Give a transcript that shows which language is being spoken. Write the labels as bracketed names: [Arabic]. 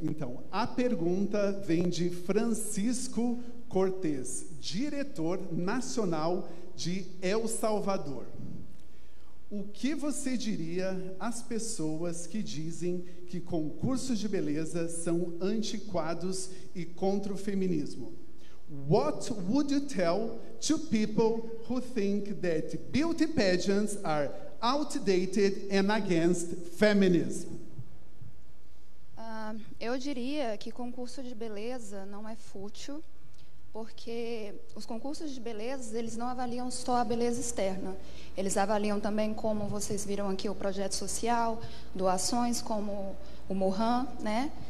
[Portuguese] Então, a pergunta vem de Francisco Cortez, diretor nacional de El Salvador. O que você diria às pessoas que dizem que concursos de beleza são antiquados e contra o feminismo? [English] What would you tell to people who think that beauty pageants are outdated and against feminism? [Portuguese] Eu diria que concurso de beleza não é fútil, porque os concursos de beleza, eles não avaliam só a beleza externa. Eles avaliam também, como vocês viram aqui, o projeto social, doações como o Mohan, né?